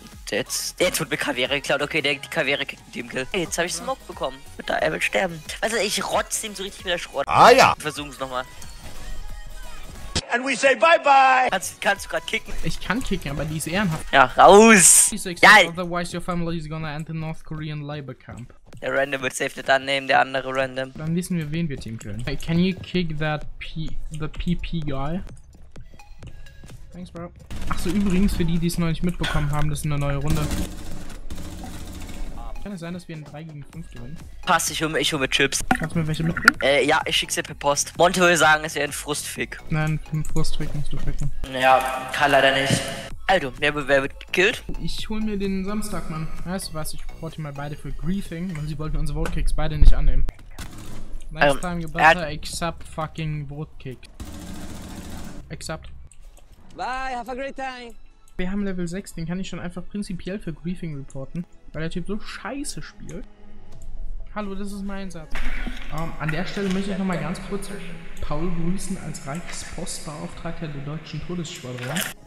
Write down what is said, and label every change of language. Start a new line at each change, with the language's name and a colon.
German: Jetzt wird mir Kavere geklaut. Okay, die Kavere kriegt den Teamkill. Hey, jetzt hab ich Smoke bekommen. Er will sterben. Also ich rotze ihm so richtig mit der Schrott. Ah ja. Versuchen es nochmal.
English: And we say bye bye!
German: Kannst du gerade kicken? Ich kann kicken, aber die ist ehrenhaft. Ja, raus! Ja.
English: Otherwise your family is gonna enter North Korean labor camp.
German: Der Random wird safe nicht annehmen, der andere Random. Dann wissen wir, wen wir teamkillen.
English: Hey, can you kick that PP guy? Thanks, bro.
German: Achso, übrigens, für die es noch nicht mitbekommen haben, das ist eine neue Runde. Kann es sein, dass wir in 3 gegen 5 gewinnen? Passt, ich hole mir Chips. Kannst du mir welche mitbringen? Ja, ich schick sie per Post. Monte würde sagen, es wäre ein Frustfick. Nein, ein Frustfick musst du ficken. Naja, kann leider nicht. Also, wer wird gekillt? Ich hole mir den Samstag, Mann. Weißt du was, ich supporte mal beide für Griefing, weil sie wollten unsere Votekicks beide nicht annehmen.
English: Next time you better accept fucking Votekick. Accept. Bye, have a great time.
German: Wir haben Level 6, den kann ich schon einfach prinzipiell für Griefing reporten, weil der Typ so scheiße spielt. Hallo, das ist mein Satz. An der Stelle möchte ich nochmal ganz kurz Paul grüßen als Reichspostbeauftragter der deutschen Todesschwadron.